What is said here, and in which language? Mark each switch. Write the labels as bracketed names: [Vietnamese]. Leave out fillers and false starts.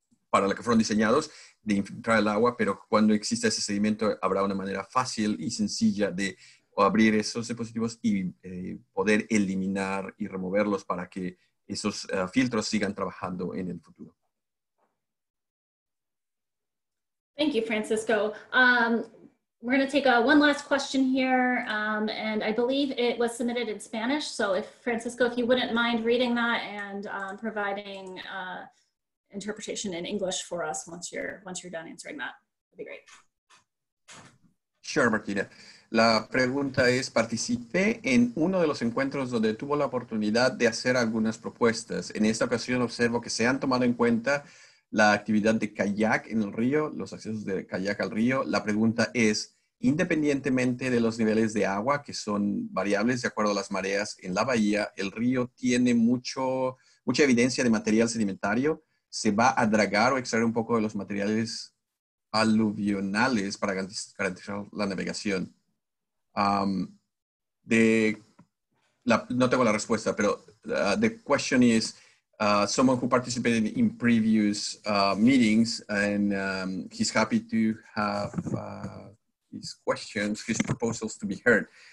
[Spanish] para la que fueron diseñados, de infiltrar el agua, pero cuando exista ese sedimento habrá una manera fácil y sencilla de abrir esos dispositivos y poder eliminar y removerlos para que esos filtros sigan trabajando en el futuro. [English] Thank you, Francisco. We're going to take one last question here, and I believe it was submitted in Spanish. So if Francisco, if you wouldn't mind reading that and providing interpretation in English for us once you're done answering that, that'd be great. Sure, Martina. [Spanish] La pregunta es, participé en uno de los encuentros donde tuvo la oportunidad de hacer algunas propuestas. En esta ocasión observo que se han tomado en cuenta la actividad de kayak en el río, los accesos de kayak al río. La pregunta es, independientemente de los niveles de agua, que son variables de acuerdo a las mareas en la bahía, ¿el río tiene mucha evidencia de material sedimentario? ¿Se va a dragar o extraer un poco de los materiales aluvionales para garantizar la navegación? No tengo la respuesta, pero [English] the question is, someone who participated in previous meetings, and he's happy to have his questions, his proposals to be heard.